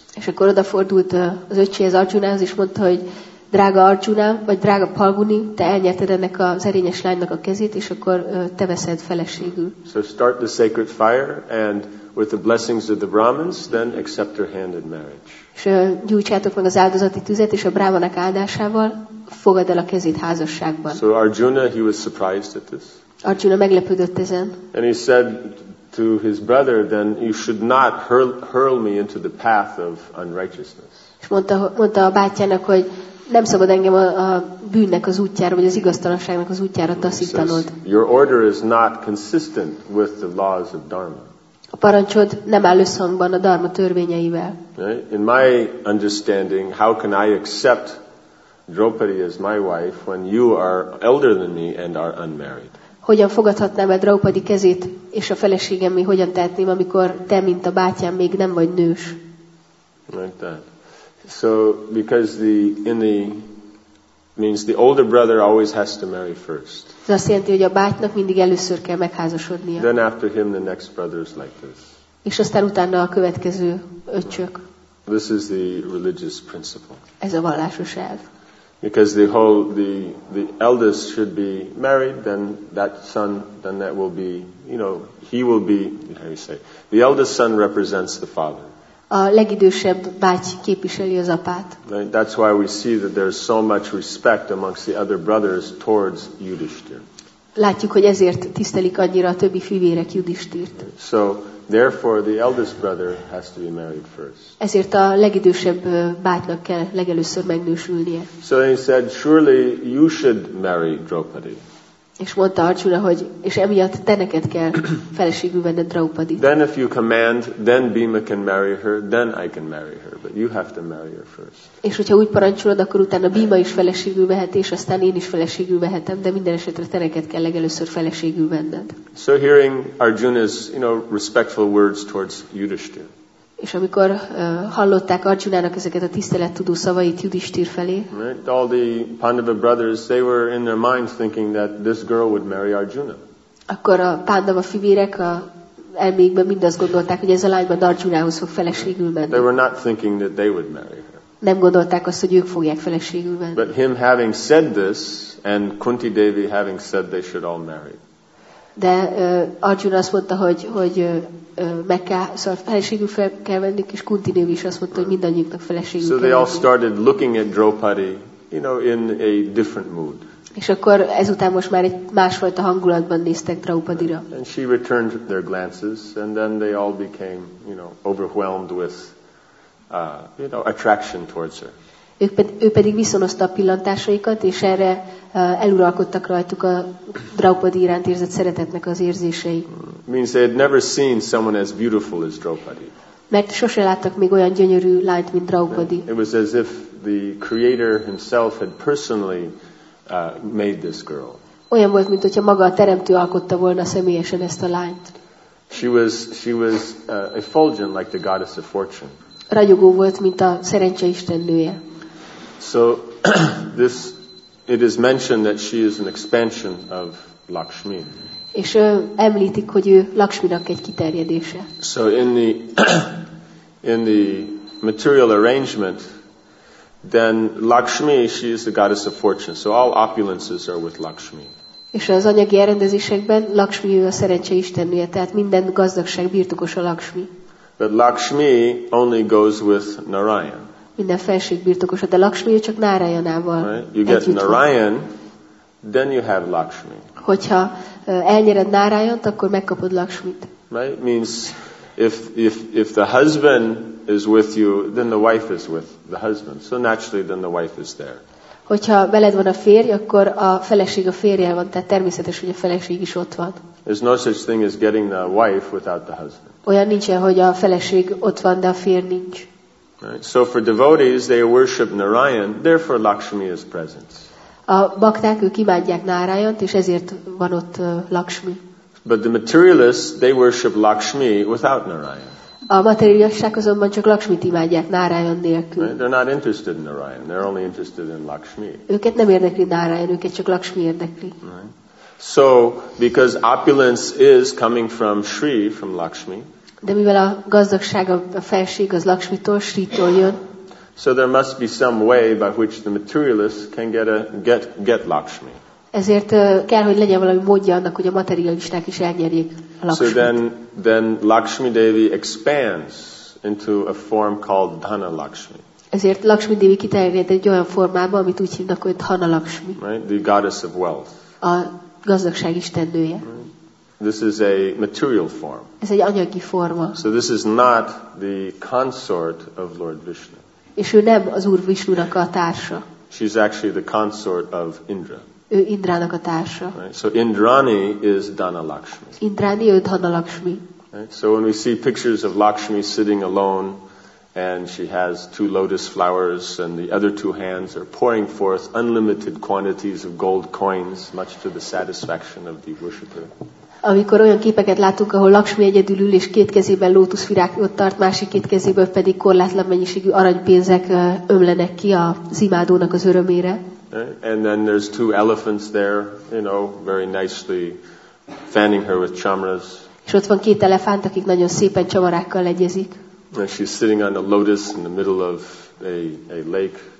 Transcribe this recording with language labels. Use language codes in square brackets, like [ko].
[hu] És akkor odafordult az öccséhez, Arjunához, és mondta, hogy drága Arjuna, vagy drága Phalguni, te elnyerted ennek az erényes lánynak a kezét, és akkor te veszed feleségül. [en] So start the sacred fire, and with the blessings of the Brahmins, then accept her hand in marriage. [hu] És gyújtsátok meg az áldozati tüzet, és a brahmanak áldásával fogad el a kezét házasságban. [en] So Arjuna, he was surprised at this. [hu] Arjuna meglepődött ezen. [en] And he said to his brother, then you should not hurl me into the path of unrighteousness. [hu] És mondta a bátyának, hogy nem szabad engem a bűnnek az útjára, vagy az igaztalanságnak az útjára taszítanod. [en] Your order is not consistent with the laws of Dharma. [hu] A parancsod nem áll összhangban a Dharma törvényeivel. [en] In my understanding, how can I accept Draupadi as my wife when you are elder than me and are unmarried? [hu] Hogyan fogadhatnám el Draupadi kezét és a feleségem mi hogyan tehetném, amikor te, mint a bátyám, még nem vagy nős? [en] Like that. So because the older brother always has to marry first. [hu] Ez azt jelenti, hogy a bátynak mindig először kell megházasodnia. [en] Then after him the next brother is like this. [hu] És aztán utána a következő öcsök. [en] This is the religious principle. [hu] Ez a vallásos elv. [en] Because the eldest should be married, then that son, then that will be, you know, he will be, how you say, the eldest son represents the father. [hu] A legidősebb báty képviseli az apát. [en] That's why we see that there's so much respect amongst the other brothers towards Yudhishthir. [hu] Látjuk, hogy ezért tisztelik annyira a többi fivérek Yudhishthirt. [en] So therefore the eldest brother has to be married first. [hu] Ezért a legidősebb bátynak kell legelőször megnősülnie. [en] So he said, surely you should marry Draupadi. [hu] És mondta Arjuna, hogy és emiatt te neked kell feleségül venned Draupadit. [en] Then if you command, then Bhima can marry her, then I can marry her, but you have to marry her first. [hu] És hogyha úgy parancsolod, akkor utána Bhima is feleségül vehet, és aztán én is feleségül vehetem, de minden esetre te neked kell legelőször feleségül venned. [en] So hearing Arjuna's, you know, respectful words towards Yudhishthir. [hu] És amikor hallották Arjunának ezeket a tisztelettudó szavait Yudhishthir felé. [en] Right? All the Pandava brothers, they were in their minds thinking that this girl would marry Arjuna. [hu] Akkor a Pandava fivérek a elmékben mind azt gondolták, hogy ez a lány majd Arjunához fog feleségül menni. [en] They were not thinking that they would marry her. [hu] Nem gondolták azt, hogy ők fogják feleségül venni. [en] But him having said this, and Kunti Devi having said they should all marry. [hu] De Arjuna azt mondta, hogy meg kell, szóval feleségül fel kell venni, és Kunti Devi is azt mondta, hogy mindannyiuknak feleségül kell venni. [en] So they all started looking at Draupadi, you know, in a different mood. [hu] És akkor ezután most már egy másfajta hangulatban néztek Draupadira. [en] And she returned their glances, and then they all became, you know, overwhelmed with, you know, attraction towards her. [hu] Ő pedig viszonozta a pillantásaikat, és erre eluralkodtak rajtuk a Draupadi iránt érzett szeretetnek az érzései. [en] Means they had never seen someone as beautiful as Draupadi. [hu] Mert sose láttak még olyan gyönyörű lányt, mint Draupadi. [en] It was as if the creator himself had personally made this girl. [hu] Olyan volt, mint hogyha maga a teremtő alkotta volna személyesen ezt a lányt. [en] She was effulgent like the goddess of fortune. [hu] Ragyogó volt, mint a szerencse istennője. [en] So this, it is mentioned that she is an expansion of Lakshmi. [hu] És említik, hogy ő Lakshminak egy kiterjedése. [en] So in the material arrangement, then Lakshmi, she is the goddess of fortune. So all opulences are with Lakshmi. [hu] És az anyagi elrendezésekben Lakshmi a szerencse istennője, tehát minden gazdagság birtokos a Lakshmi. [en] But Lakshmi only goes with Narayan. [hu] Minden felség birtokosa, de Lakshmi csak Narayanával. [en] You get Narayan, then you have Lakshmi. [hu] Hogyha elnyered Narayant, akkor megkapod Lakshmit. [en] Right? Means if the husband is with you, then the wife is with the husband. So naturally then the wife is there. [hu] Hogyha veled van a férj, akkor a feleség a férjel van, tehát természetes, hogy a feleség is ott van. [en] There's no such thing as getting the wife without the husband. [hu] Olyan nincsen, hogy a feleség ott van, de a férj nincs. [en] Right. So for devotees, they worship Narayan, therefore Lakshmi is present. [hu] A bakták, ők imádják Narayant, és ezért van ott Lakshmi. [en] But the materialists, they worship Lakshmi without Narayan. [hu] A materialisták azonban csak Lakshmit imádják Narayan nélkül. [en] Right. They're not interested in Narayan, they're only interested in Lakshmi. [hu] Őket nem érdekli Narayan, őket csak Lakshmi érdekli. [en] Right. So, because opulence is coming from Sri, from Lakshmi, [hu] de mivel a gazdagság, a felség az Lakshmitól, Sritól jön. [en] So there must be some way by which the materialist can get Lakshmi. [hu] Ezért kell, hogy legyen valami módja annak, hogy a materialisták is elnyerjék Lakshmit. [en] So then Lakshmi Devi expands into a form called Dhana Lakshmi. [hu] Ezért Lakshmi Devi kiterjed egy olyan formába, amit úgy hívnak, hogy Dhana Lakshmi. [en] Right? The goddess of wealth. [hu] A gazdagság istennője. [en] This is a material form. [hu] Ez egy anyagi forma. [en] So this is not the consort of Lord Vishnu. [hu] És ő nem az Úr Vishnunak a társa. [en] She's actually the consort of Indra. [hu] Ő Indrának a társa. [en] Right? So Indrani is Dhana Lakshmi. [hu] Indrani, ő Dhana Lakshmi. [en] Right? So when we see pictures of Lakshmi sitting alone and she has two lotus flowers and the other two hands are pouring forth unlimited quantities of gold coins, much to the satisfaction of the worshipper. [hu] Amikor olyan képeket látunk, ahol Lakshmi egyedül ül, és két kezében lótuszvirágot tart, másik két kezében pedig korlátlan mennyiségű aranypénzek ömlenek ki az imádónak az örömére. [en] And then there's two elephants there, you know, very nicely fanning her with chamras. [hu] És ott van két elefánt, akik nagyon szépen csavarákkal egyezik. [en] And she's sitting on a lotus in the middle of a lake.